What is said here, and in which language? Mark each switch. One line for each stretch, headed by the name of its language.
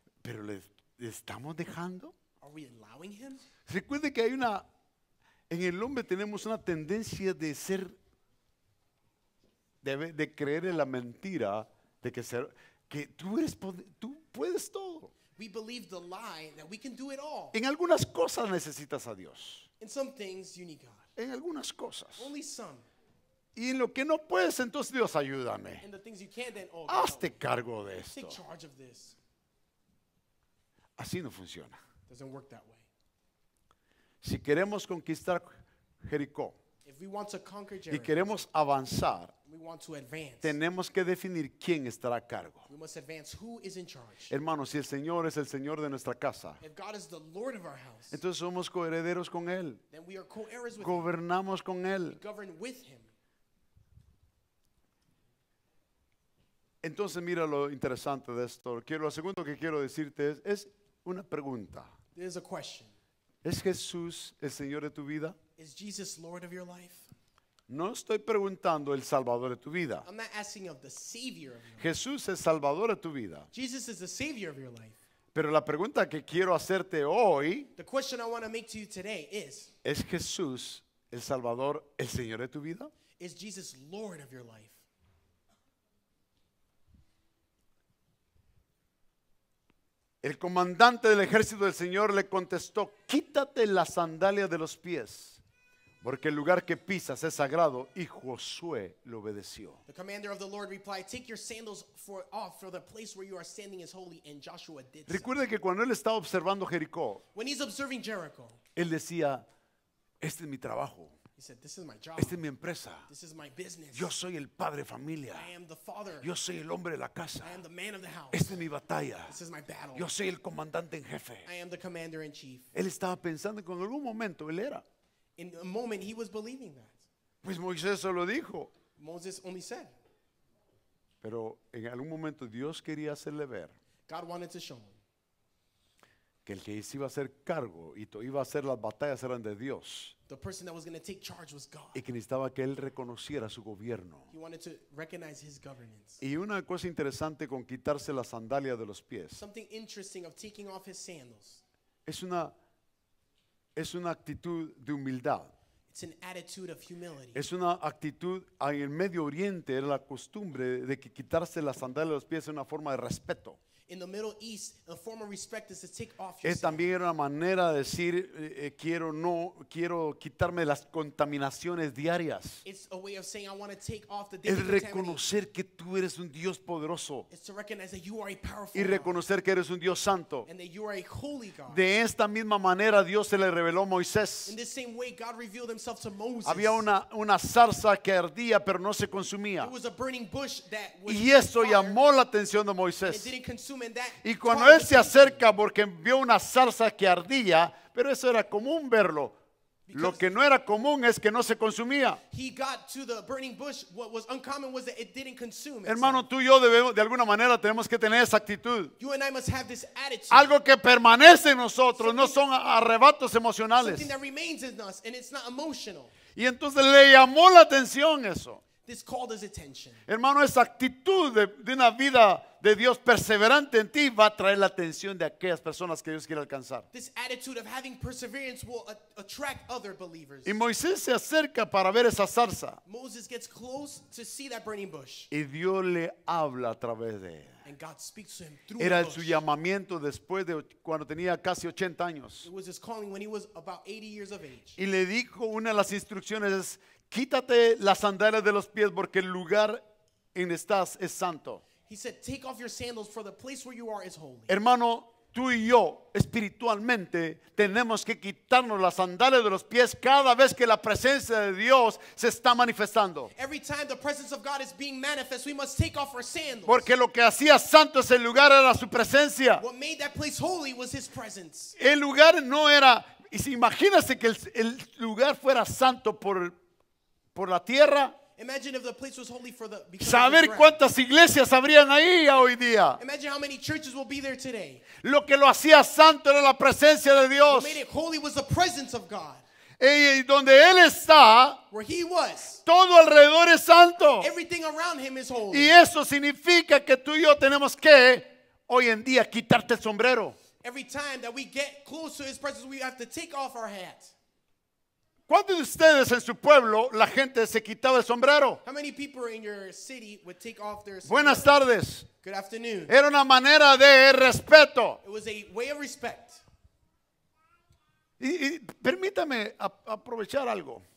Spanish: Pero le estamos dejando.
English: Are we allowing him?
Spanish: Recuerde que hay una, en el hombre tenemos una tendencia de ser, de creer en la mentira, de que ser, que tú puedes todo.
English: We believe the lie that we can do it all.
Spanish: En algunas cosas necesitas a Dios.
English: In some things you need God.
Spanish: En algunas cosas.
English: Only some.
Spanish: Y en lo que no puedes, entonces Dios ayúdame.
English: And the things you can't, then, oh,
Spanish: hazte cargo de esto.
English: Take charge of this.
Spanish: Así no funciona.
English: Doesn't work that way.
Spanish: Si queremos conquistar Jericó.
English: If we want to conquer Jericho,
Spanish: y queremos avanzar.
English: We want to advance.
Spanish: Tenemos que definir quién estará a cargo.
English: We must advance who is in charge.
Spanish: Hermanos, si el Señor es el Señor de nuestra casa,
English: if God is the Lord of our house,
Spanish: entonces somos coherederos con Él.
English: Then we are co-heirs with
Spanish: gobernamos
English: him.
Spanish: Con Él.
English: We govern with him.
Spanish: Entonces mira lo interesante de esto. Lo segundo que quiero decirte es una pregunta.
English: There's a question.
Spanish: ¿Es Jesús el Señor de tu vida?
English: Is Jesus Lord of your life?
Spanish: No estoy preguntando el Salvador de tu vida.
English: I'm not asking of the Savior of your life.
Spanish: Jesús es Salvador de tu vida.
English: Jesus is the Savior of your life.
Spanish: Pero la pregunta que quiero hacerte hoy,
English: the question I want to make to you today is,
Spanish: ¿es Jesús el Salvador, el Señor de tu vida?
English: Is Jesus Lord of your life?
Spanish: El comandante del ejército del Señor le contestó, quítate las sandalias de los pies, porque el lugar que pisas es sagrado, y Josué lo obedeció.
English: The commander of the Lord replied, take your sandals off for the place where you are standing is holy, and Joshua did so.
Spanish: Recuerde que cuando él estaba observando Jericó,
English: when he's observing Jericho,
Spanish: él decía, este es mi trabajo.
English: He said, this is my job.
Spanish: Esta es mi empresa.
English: This is my business.
Spanish: Yo soy el padre de familia.
English: I am the father.
Spanish: Yo soy el hombre de la casa.
English: I am the man of the house.
Spanish: Esta es mi batalla.
English: This is my battle.
Spanish: Yo soy el comandante en jefe.
English: I am the commander in chief.
Spanish: Él estaba pensando que en algún momento él era.
English: In a moment he was believing that.
Spanish: Pues Moisés se lo dijo.
English: Moses only said.
Spanish: Pero en algún momento Dios quería hacerle ver.
English: God wanted to show him.
Spanish: Que el que se iba a hacer cargo y iba a hacer las batallas eran de Dios.
English: The person that was going to take charge was God.
Spanish: Y que necesitaba que él reconociera su gobierno.
English: He wanted to recognize his governance.
Spanish: Y una cosa interesante con quitarse las sandalias de los pies.
English: Something interesting of taking off his sandals.
Spanish: Es una actitud de humildad.
English: It's an attitude of humility.
Spanish: Es una actitud en el Medio Oriente, era la costumbre de que quitarse las sandalias de los pies es una forma de respeto.
English: In the Middle East, a form of respect is to take off your sandals.
Spanish: Es también una manera de decir quiero quitarme las contaminaciones diarias.
English: It's a way of saying I want to take off the.
Spanish: Es reconocer que tú eres un Dios poderoso.
English: It's to recognize that you are a powerful.
Spanish: Y reconocer que eres un Dios santo.
English: And that you are a holy God.
Spanish: De esta misma manera Dios se le reveló a Moisés.
English: In the same way God revealed Himself to Moses.
Spanish: Había una zarza que ardía pero no se consumía.
English: It was a burning bush that was.
Spanish: Y eso llamó la atención de Moisés.
English: It didn't consume.
Spanish: Y cuando él se acerca porque vio una zarza que ardía, pero eso era común verlo.
English: Because
Spanish: lo que no era común es que no se consumía.
English: He got to the burning bush. What was uncommon was that it didn't consume.
Spanish: Hermano, tú y yo debemos, de alguna manera tenemos que tener esa actitud.
English: You and I must have this attitude.
Spanish: Algo que permanece en nosotros,
English: something,
Spanish: no son arrebatos emocionales.
English: Something that remains in us and it's not emotional.
Spanish: Y entonces le llamó la atención eso.
English: This called his attention.
Spanish: Hermano, esa actitud de una vida de Dios perseverante en ti va a traer la atención de aquellas personas que Dios quiere alcanzar.
English: This attitude of having perseverance will attract other believers.
Spanish: Y Moisés se acerca para ver esa zarza.
English: Moses gets close to see that burning bush.
Spanish: Y Dios le habla a través de él.
English: And God speaks to him through the bush.
Spanish: Era su llamamiento después de cuando tenía casi 80 años.
English: It was his calling when he was about 80 years of age.
Spanish: Y le dijo, una de las instrucciones es, quítate las sandalias de los pies porque el lugar en estás es santo.
English: He said, take off your sandals for the place where you are is holy.
Spanish: Hermano, tú y yo espiritualmente tenemos que quitarnos las sandalias de los pies cada vez que la presencia de Dios se está manifestando.
English: Every time the presence of God is being manifest, we must take off our sandals.
Spanish: Porque lo que hacía santo ese lugar era su presencia.
English: What made that place holy was his presence.
Spanish: El lugar no era, y si imagínese que el lugar fuera santo por la tierra.
English: Imagine if the place was holy for the.
Spanish: Saber cuántas iglesias habrían ahí hoy día.
English: Imagine how many churches will be there today.
Spanish: Lo que lo hacía santo era la presencia de Dios.
English: What made it holy was the presence of God.
Spanish: Y donde él está,
English: where he was,
Spanish: todo alrededor es santo.
English: Everything around him is holy.
Spanish: Y eso significa que tú y yo tenemos que hoy en día quitarte el sombrero.
English: Every time that we get close to his presence, we have to take off our hat.
Spanish: ¿Cuántos de ustedes en su pueblo la gente se quitaba el sombrero?
English: How many people in your city would take off their sombrero?
Spanish: Buenas tardes.
English: Good afternoon.
Spanish: Era una manera de respeto.
English: It was a way of respect.
Spanish: Y permítame aprovechar algo.